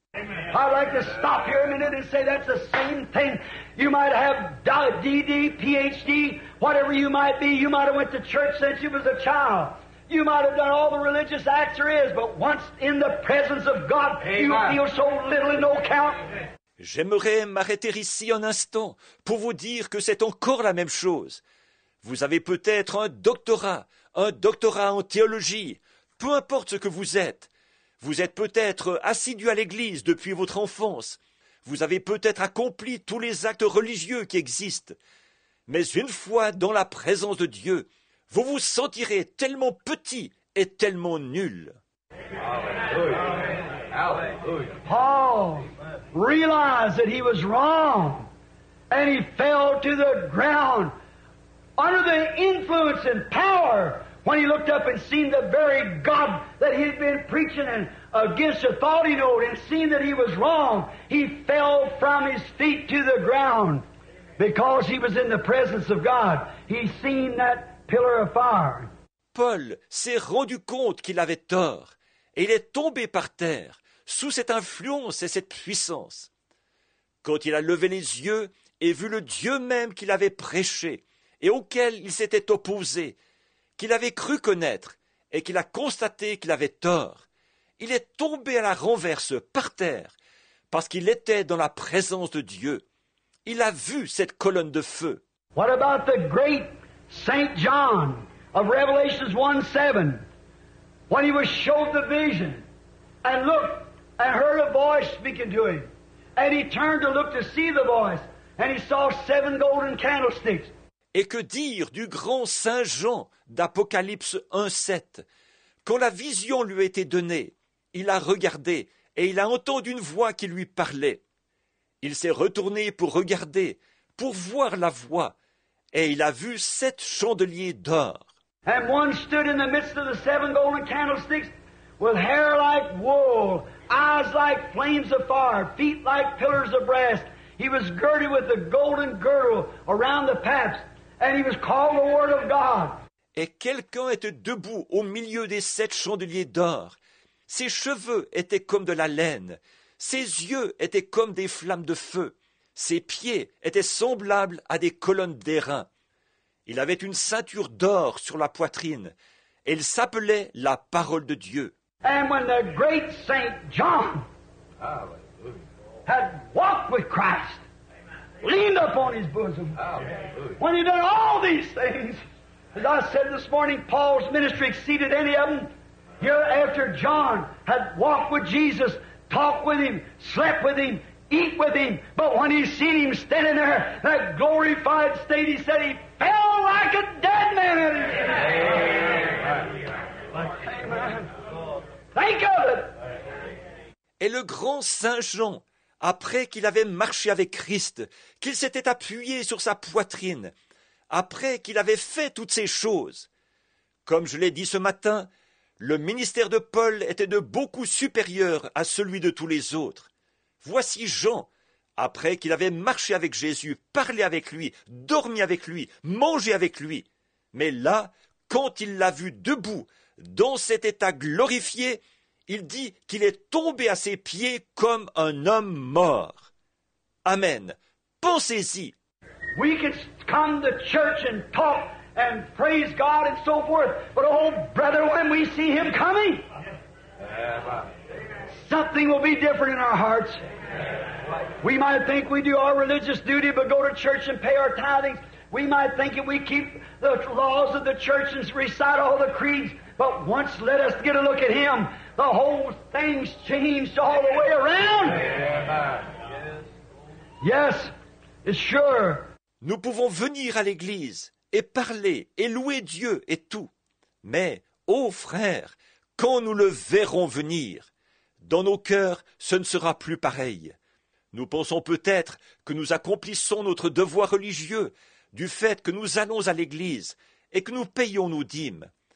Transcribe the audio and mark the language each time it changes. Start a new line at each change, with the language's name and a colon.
English: I'd like to stop here a minute and say that's the same thing. You might have D.D., Ph.D., Whatever you might be, you might have went to church since you was a child. You might have done all the religious acts there is, but once in the presence of God, Amen. You feel so little and no count.
French: J'aimerais m'arrêter ici un instant pour vous dire que c'est encore la même chose. Vous avez peut-être un doctorat en théologie, peu importe ce que vous êtes. Vous êtes peut-être assidu à l'église depuis votre enfance. Vous avez peut-être accompli tous les actes religieux qui existent. Mais une fois dans la présence de Dieu, vous vous sentirez tellement petit et tellement nul.
English: Paul realized that he was wrong and he fell to the ground under the influence and power when he looked up and seen the very God that he'd been preaching and against the thought he knew and seen that he was wrong. He fell from his feet to the ground because he was in the presence of God. He seen that pillar of fire.
French: Paul s'est rendu compte qu'il avait tort et il est tombé par terre sous cette influence et cette puissance. Quand il a levé les yeux et vu le Dieu même qu'il avait prêché et auquel il s'était opposé, qu'il avait cru connaître et qu'il a constaté qu'il avait tort, il est tombé à la renverse par terre parce qu'il était dans la présence de Dieu. Il a vu cette colonne de feu.
English: What about the great Saint John of Revelations 1:7 when he was shown the vision? And look, I heard a voice speaking to him. And he turned to look to see the voice. And he saw seven golden candlesticks.
French: Et que dire du grand Saint Jean d'Apocalypse 1:7? Quand la vision lui a été donnée, il a regardé et il a entendu une voix qui lui parlait. Il s'est retourné pour regarder, pour voir la voix. Et il a vu sept chandeliers d'or.
English: And one stood in the midst of the seven golden candlesticks. With hair like wool, eyes like flames of fire, feet like pillars of brass. He was girded with a golden girdle around the paps, and he was called the Word of God.
French: Et quelqu'un était debout au milieu des sept chandeliers d'or. Ses cheveux étaient comme de la laine. Ses yeux étaient comme des flammes de feu. Ses pieds étaient semblables à des colonnes d'airain. Il avait une ceinture d'or sur la poitrine. Il s'appelait la parole de Dieu.
English: And when the great Saint John had walked with Christ, leaned upon his bosom, when he did all these things, as I said this morning, Paul's ministry exceeded any of them. Hereafter, John had walked with Jesus, talked with him, slept with him, eat with him. But when he seen him standing there, that glorified state, he said he fell like a dead man at his feet.
French: Et le grand Saint Jean, après qu'il avait marché avec Christ, qu'il s'était appuyé sur sa poitrine, après qu'il avait fait toutes ces choses, comme je l'ai dit ce matin, le ministère de Paul était de beaucoup supérieur à celui de tous les autres. Voici Jean, après qu'il avait marché avec Jésus, parlé avec lui, dormi avec lui, mangé avec lui. Mais là, quand il l'a vu debout, dans cet état glorifié, il dit qu'il est tombé à ses pieds comme un homme mort. Amen. Pensez-y.
English: We can come to church and talk and praise God and so forth, but oh brother, when we see him coming, something will be different in our hearts. We might think we do our religious duty, but go to church and pay our tithings. We might think if we keep the laws of the church and recite all the creeds, but once let us get a look at him, the whole thing's changed all the way around. Yes, it's sure.
French: Nous pouvons venir à l'église et parler et louer Dieu et tout. Mais, ô frère, quand nous le verrons venir, dans nos cœurs, ce ne sera plus pareil. Nous pensons peut-être que nous accomplissons notre devoir religieux du fait que nous allons à l'église et que nous payons nos dîmes.